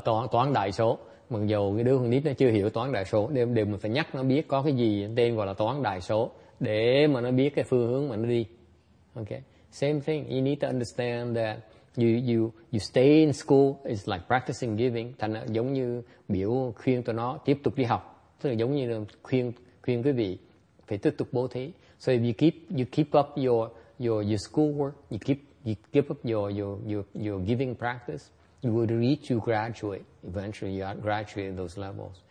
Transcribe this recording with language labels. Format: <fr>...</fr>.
<vi>Toán đại số. Mặc dù cái đứa con nít nó chưa hiểu toán đại số, đều mình phải nhắc nó biết có cái gì tên gọi là toán đại số để mà nó biết cái phương hướng mà nó đi.</vi> <en>Okay. Same thing. You need to understand that you stay in school is like practicing giving.</en> <vi>Thành là giống như biểu khuyên tụi nó tiếp tục đi học. Tức là giống như là khuyên quý vị phải tiếp tục bố thí.</vi> <en>So if you keep up your school work, you keep up your giving practice, you will reach, you graduate. Eventually, you are graduating those levels.</en>